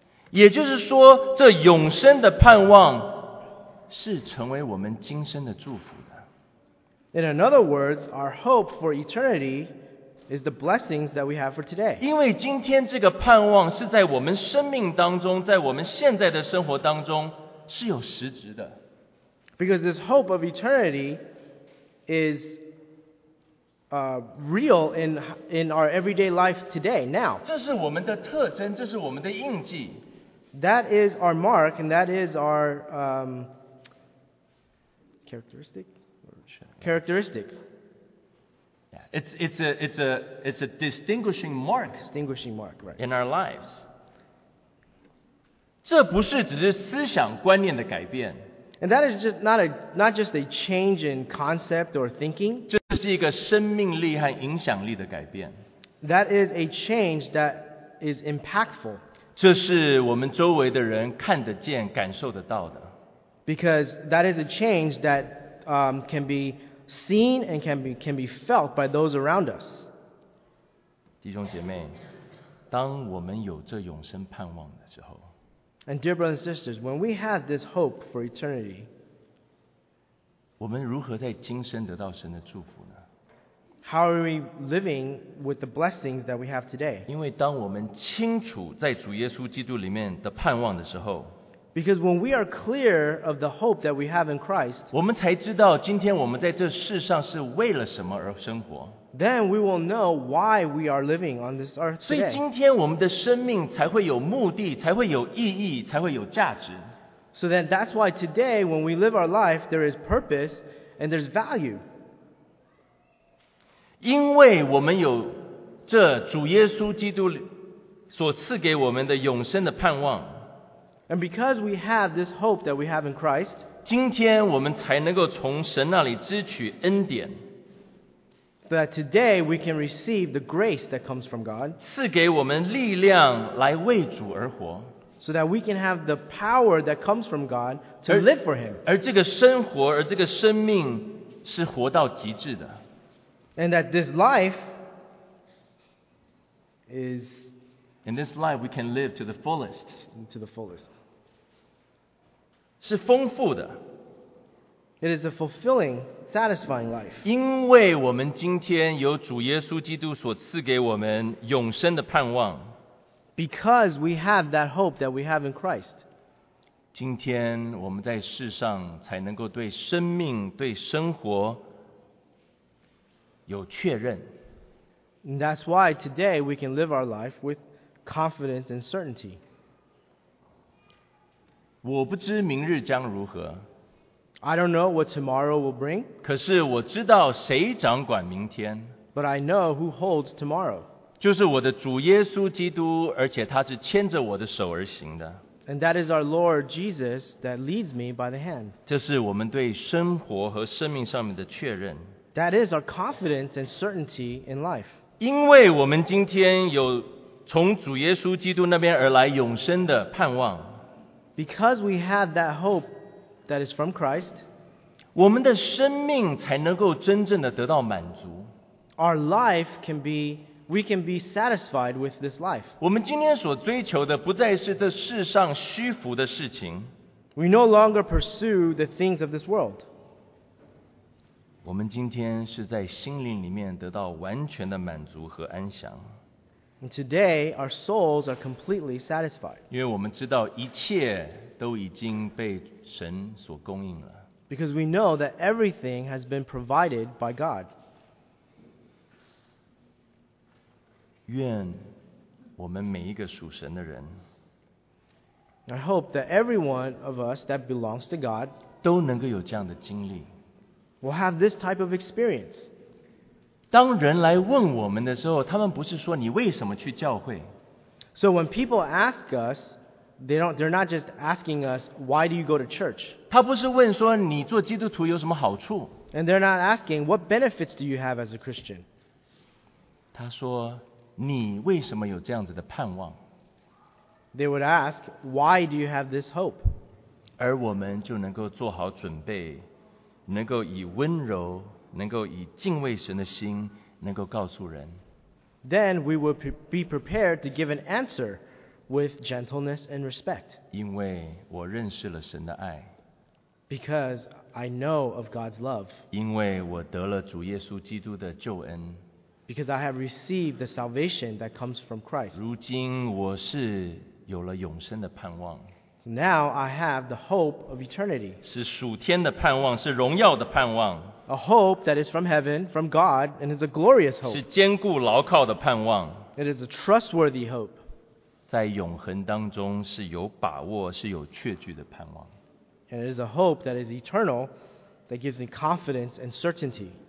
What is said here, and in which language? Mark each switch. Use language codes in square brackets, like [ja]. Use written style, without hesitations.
[zh] 也就是说，这永生的盼望是成为我们今生的祝福的。 [en] In other words, our hope for eternity is the blessings that we have for today. [zh] 因为今天这个盼望是在我们生命当中，在我们现在的生活当中是有实质的。 [en] Because this hope of eternity is real in our everyday life today, now. [zh] 这是我们的特征，这是我们的印记。 [en] That is our mark, and that is our characteristic. Yeah, it's a distinguishing mark, right? In our lives. [zh] 这不是只是思想观念的改变。 [en] And that is just not just a change in concept or thinking. [zh] 这是一个生命力和影响力的改变。 [en] That is a change that is impactful. [zh] 这是我们周围的人看得见、感受得到的。 [en] Because that is a change that can be seen and can be felt by those around us. [zh] 弟兄姐妹，当我们有这永生盼望的时候 [en] ，And dear brothers and sisters, when we have this hope for eternity, [zh] 我们如何在今生得到神的祝福呢？ [en] How are we living with the blessings that we have today? [zh] 因为当我们清楚在主耶稣基督里面的盼望的时候， [en] Because when we are clear of the hope that we have in Christ, [zh] 我们才知道今天我们在这世上是为了什么而生活。 [en] Then we will know why we are living on this earth today. [zh] 所以今天我们的生命才会有目的，才会有意义，才会有价值。 [en] So then that's why today when we live our life, there is purpose and there's value. [zh] 因为我们有这主耶稣基督所赐给我们的永生的盼望。 [en] And because we have this hope that we have in Christ, [zh] 今天我们才能够从神那里支取恩典。 [en] So that today we can receive the grace that comes from God. [zh] 赐给我们力量来为主而活。 [en] So that we can have the power that comes from God to live for Him. [zh] 而这个生活，而这个生命是活到极致的。 [en] And that this life is... In this life we can live to the fullest. To the fullest. [zh] 是丰富的。 [en] It is a fulfilling, satisfying life. [zh] 因为我们今天有主耶稣基督所赐给我们永生的盼望。 [en] Because we have that hope that we have in Christ. [zh] 今天我们在世上才能够对生命、对生活有确认。 [en] And that's why today we can live our life with confidence and certainty. [zh] 我不知明日将如何。 [en] I don't know what tomorrow will bring. [zh] 可是我知道谁掌管明天。 [en] But I know who holds tomorrow. [zh] 就是我的主耶稣基督，而且他是牵着我的手而行的。 [en] And that is our Lord Jesus that leads me by the hand. [zh] 这是我们对生活和生命上面的确认。 [en] That is our confidence and certainty in life. [zh] 因为我们今天有从主耶稣基督那边而来永生的盼望。 [en] Because we have that hope that is from Christ, [zh] 我们的生命才能够真正的得到满足。 [en] Our life can be, we can be satisfied with this life. [zh] 我们今天所追求的不再是这世上虚浮的事情。 [en] We no longer pursue the things of this world. [zh] 我们今天是在心灵里面得到完全的满足和安详。 [en] And today, our souls are completely satisfied. [zh] 因为我们知道一切都已经被神所供应了。 [en] Because we know that everything has been provided by God. [zh] 愿我们每一个属神的人， [en] I hope that every one of us that belongs to God [zh] 都能够有这样的经历， [en] will have this type of experience. [zh] 当人来问我们的时候，他们不是说你为什么去教会。 [en] So when people ask us, they're not just asking us, why do you go to church? [zh] 他不是问说你做基督徒有什么好处。 [en] And they're not asking, what benefits do you have as a Christian? [zh] 他说你为什么有这样子的盼望。 [en] They would ask, why do you have this hope? [zh] 而我们就能够做好准备，能够以温柔，能够以敬畏神的心，能够告诉人。 [en] Then we would be prepared to give an answer with gentleness and respect. [zh] 因为我认识了神的爱。 [en] Because I know of God's love. [zh] 因为我得了主耶稣基督的救恩。 [en] Because I have received the salvation that comes from Christ. [zh] 如今我是有了永生的盼望。 [en] So now I have the hope of eternity. [zh] 是属天的盼望，是荣耀的盼望。 [en] A hope that is from heaven, from God, and is a glorious hope. [zh] 是坚固牢靠的盼望。 [en] It is a trustworthy hope. [zh] 在永恒当中是有把握，是有确据的盼望。 [en] And it is a hope that is eternal, that gives me confidence and certainty.